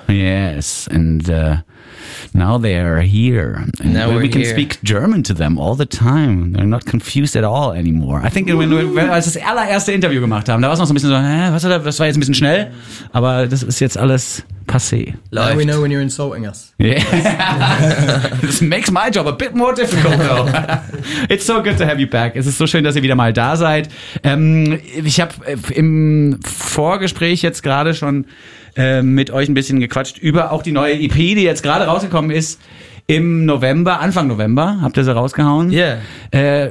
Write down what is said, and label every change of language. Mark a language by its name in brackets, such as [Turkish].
[English] Yes, and now they are here. And now we're we can here. Speak German to them all the time. They're not confused at all anymore. I think when we [German] als das allererste Interview gemacht haben, da war es noch so ein bisschen so, was war das? Das war jetzt ein bisschen schnell, aber das ist jetzt alles... Passé. [English] Now we know when you're insulting us. Yeah. This makes my job a bit more difficult, though. It's so good to have you back. [German] Es ist so schön, dass ihr wieder mal da seid. Ich habe im Vorgespräch jetzt gerade schon mit euch ein bisschen gequatscht über auch die neue EP, die jetzt gerade rausgekommen ist. Im November, Anfang November, habt ihr sie rausgehauen? [English] Yeah.